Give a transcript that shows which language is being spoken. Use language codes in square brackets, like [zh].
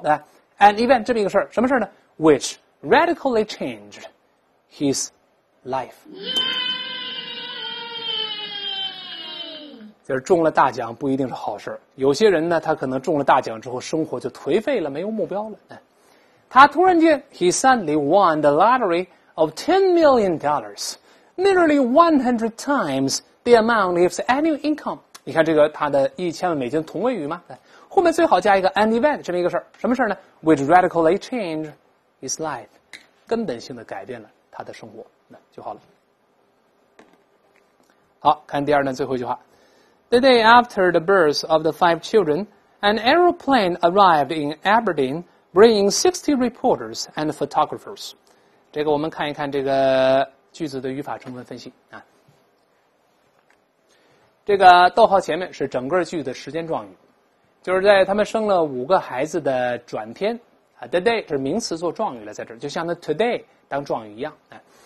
[en] An event [zh] 这么一个事儿，什么事呢 [en] ？Which radically changed his life。 [zh] 就是中了大奖不一定是好事，有些人呢他可能中了大奖之后生活就颓废了，没有目标了。他突然间 [en] He suddenly won the lottery of $10 million nearly 100 times the amount of his annual income。 [zh] 你看这个他的1000万美金同位语吗？后面最好加一个 an event 这么一个事，什么事呢？ [en] Which radically changed his life， [zh] 根本性的改变了他的生活，那就好了。好，看第二段最后一句话。 [en] The day after the birth of the 5 children, an aeroplane arrived in Aberdeen, bringing 60 reporters and photographers. [zh] 这个我们看一看这个句子的语法成分分析啊。这个逗号前面是整个句的时间状语，就是在他们生了5个孩子的转天啊。 The day 是名词做状语了，在这儿就像那 today 当状语一样啊。